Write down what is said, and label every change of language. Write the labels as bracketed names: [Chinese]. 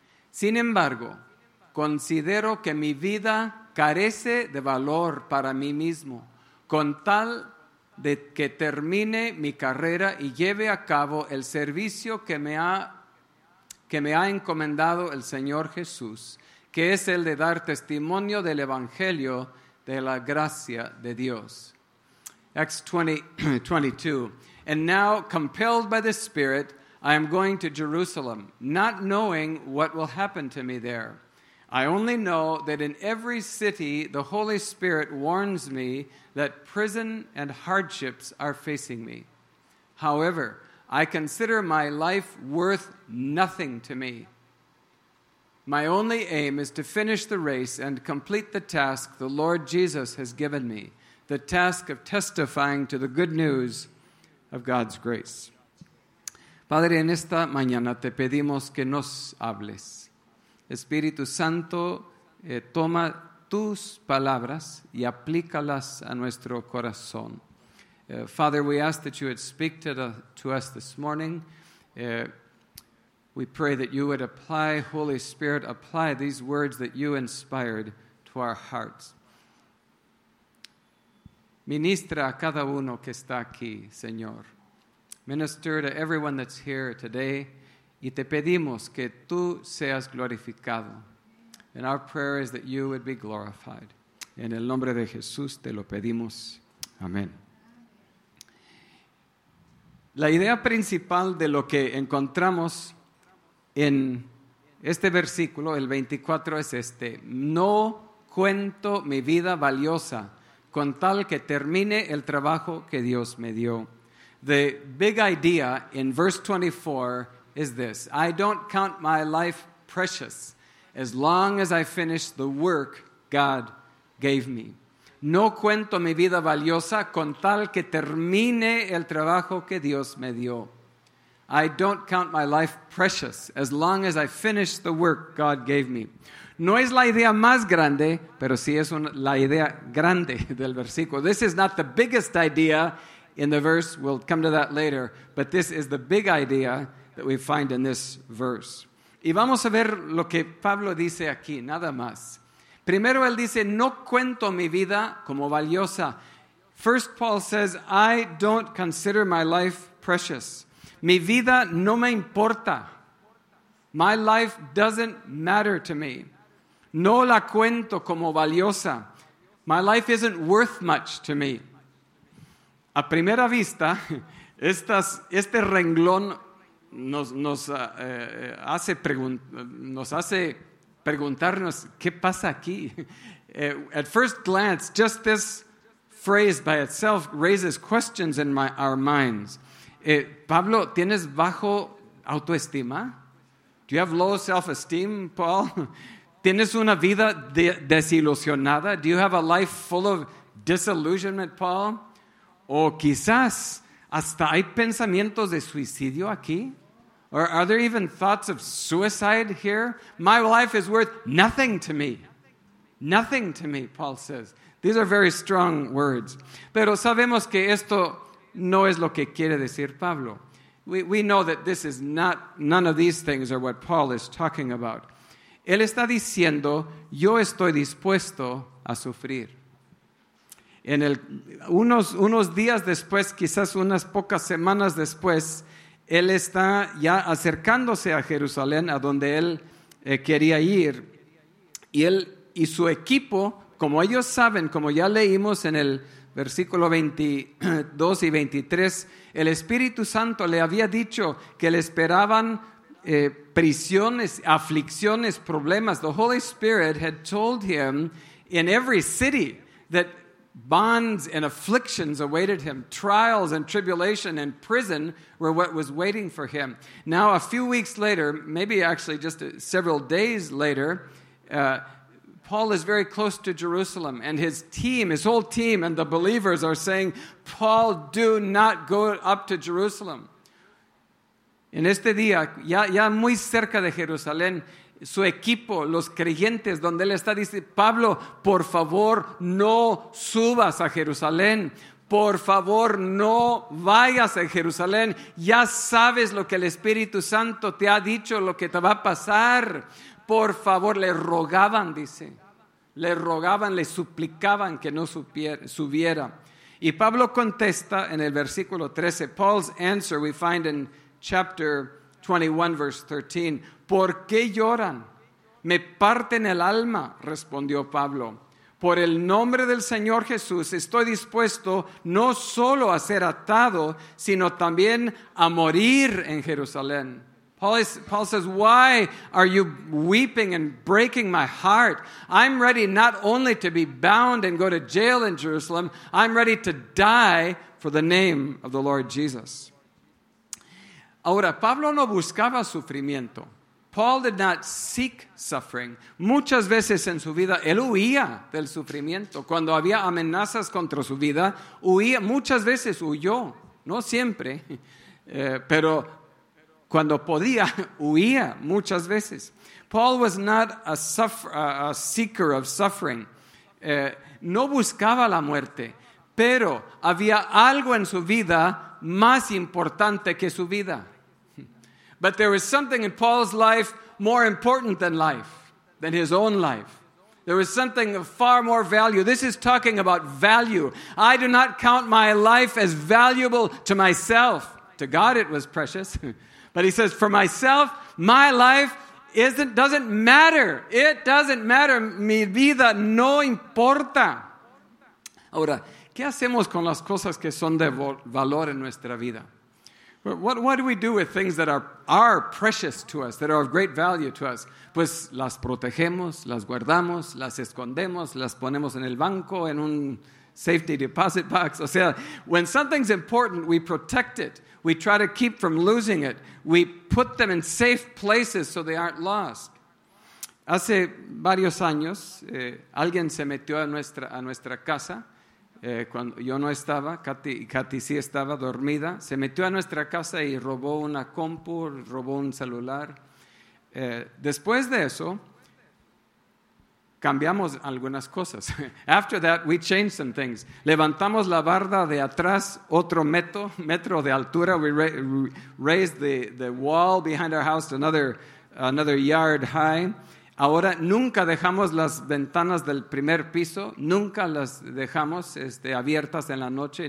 [Spanish] Sin embargo, considero que mi vida carece de valor para mí mismo, con tal de que termine mi carrera y lleve a cabo el servicio que me ha encomendado el Señor Jesús, que es el de dar testimonio del Evangelio de la gracia de Dios. [English] Acts 20:22. And now, compelled by the Spirit, I am going to Jerusalem, not knowing what will happen to me there. I only know that in every city the Holy Spirit warns me that prison and hardships are facing me. However, I consider my life worth nothing to me. My only aim is to finish the race and complete the task the Lord Jesus has given me, the task of testifying to the good news of God's grace. [Spanish] Padre, en esta mañana te pedimos que nos hables. Espíritu Santo, toma tus palabras y aplícalas a nuestro corazón. [English] Father, we ask that you would speak to us this morning. We pray that you would apply, Holy Spirit, apply these words that you inspired to our hearts. [Spanish] Ministra a cada uno que está aquí, Señor. [English] Minister to everyone that's here today. [Spanish] Y te pedimos que tú seas glorificado. [English] And our prayer is that you would be glorified. [Spanish] En el nombre de Jesús te lo pedimos. Amén. La idea principal de lo que encontramos en este versículo, el 24, es este. No cuento mi vida valiosa con tal que termine el trabajo que Dios me dio. [English] The big idea in verse 24 is this: I don't count my life precious as long as I finish the work God gave me. [Spanish] No cuento mi vida valiosa con tal que termine el trabajo que Dios me dio. [English] I don't count my life precious as long as I finish the work God gave me. [Spanish] No es la idea más grande, pero sí es la idea grande del versículo. [English] This is not the biggest idea in the verse. We'll come to that later. But this is the big idea that we find in this verse. [Spanish] Y vamos a ver lo que Pablo dice aquí, nada más. Primero, él dice, no cuento mi vida como valiosa. [English] First, Paul says, I don't consider my life precious. [Spanish] Mi vida no me importa. [English] My life doesn't matter to me. [Spanish] No la cuento como valiosa. [English] My life isn't worth much to me. [Spanish] A primera vista, este renglón nos hace preguntarnos, ¿qué pasa aquí? [English] At first glance, just this phrase by itself raises questions in our minds. [Spanish] Pablo, ¿tienes bajo autoestima? [English] Do you have low self-esteem, Paul? [Spanish] ¿Tienes una vida desilusionada? [English] Do you have a life full of disillusionment, Paul? [Spanish] ¿O quizás hasta hay pensamientos de suicidio aquí? [English] Or are there even thoughts of suicide here? My life is worth nothing to me. Nothing to me, Paul says. These are very strong words. [Spanish] Pero sabemos que esto no es lo que quiere decir Pablo. [English] We know that this is not, none of these things are what Paul is talking about. [Spanish] Él está diciendo, yo estoy dispuesto a sufrir. En el, unos días después, quizás unas pocas semanas después, él está ya acercándose a Jerusalén, a donde él quería ir. Y él y su equipo, como ellos saben, como ya leímos en el versículo 22 y 23, el Espíritu Santo le había dicho que le esperaban prisiones, aflicciones, problemas. [English] The Holy Spirit had told him in every city that bonds and afflictions awaited him. Trials and tribulation and prison were what was waiting for him. Now, a few weeks later, maybe actually just several days later, Paul is very close to Jerusalem, and his team, his whole team and the believers are saying, Paul, do not go up to Jerusalem. [Spanish] En este día, ya muy cerca de Jerusalén, su equipo, los creyentes, donde él está, dice, Pablo, por favor, no subas a Jerusalén. Por favor, no vayas a Jerusalén. Ya sabes lo que el Espíritu Santo te ha dicho, lo que te va a pasar. Por favor, le rogaban, dice. Le rogaban, le suplicaban que no subiera. Y Pablo contesta en el versículo 13. [English] Paul's answer we find in chapter 21, verse 13. [Spanish] ¿Por qué lloran? Me parten el alma, respondió Pablo. Por el nombre del Señor Jesús estoy dispuesto no solo a ser atado, sino también a morir en Jerusalén. [English] Paul says, why are you weeping and breaking my heart? I'm ready not only to be bound and go to jail in Jerusalem, I'm ready to die for the name of the Lord Jesus. [Spanish] Ahora, Pablo no buscaba sufrimiento. [English] Paul did not seek suffering. [Spanish] Muchas veces en su vida, él huía del sufrimiento. Cuando había amenazas contra su vida, huía. Muchas veces huyó, no siempre, pero cuando podía, huía muchas veces. [English] Paul was not a seeker of suffering. [Spanish] No buscaba la muerte, pero había algo en su vida más importante que su vida. [English] But there was something in Paul's life more important than life, than his own life. There was something of far more value. This is talking about value. I do not count my life as valuable to myself. To God it was precious. But he says, for myself, my life doesn't matter. It doesn't matter. [Spanish] Mi vida no importa. Ahora, ¿qué hacemos con las cosas que son de valor en nuestra vida? [English] What do we do with things that are precious to us, that are of great value to us? [Spanish] Pues las protegemos, las guardamos, las escondemos, las ponemos en el banco, en un safety deposit box. [English] O sea, when something's important, we protect it. We try to keep from losing it. We put them in safe places so they aren't lost. [Spanish] Hace varios años, alguien se metió a nuestra casa. Cuando yo no estaba, Katy sí estaba dormida, se metió a nuestra casa y robó una compu, robó un celular. Después de eso, cambiamos algunas cosas. [English] After that, we changed some things. [Spanish] Levantamos la barda de atrás otro metro de altura. [English] We raised the wall behind our house to another yard high. [Spanish] Ahora nunca dejamos las ventanas del primer piso, nunca las dejamos abiertas en la noche.